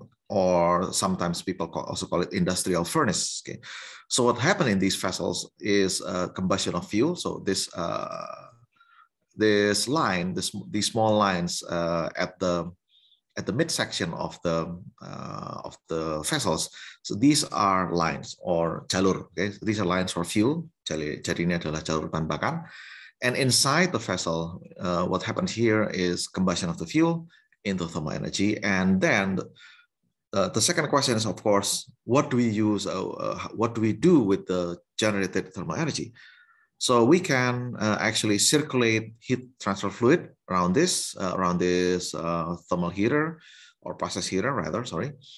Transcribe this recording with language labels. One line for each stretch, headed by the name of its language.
English: Or sometimes people call it industrial furnace. Okay. So what happened in these vessels is combustion of fuel. So this this line, this these small lines at the midsection of the vessels. So these are lines or jalur. Okay. So these are lines for fuel.
Indonesian: Jadi ini adalah jalur bahan bakar.
English: And inside the vessel, what happened here is combustion of the fuel into thermal energy. And then the second question is, of course, what do we use? What do we do with the generated thermal energy? So we can actually circulate heat transfer fluid around this thermal heater or process heater, rather, sorry.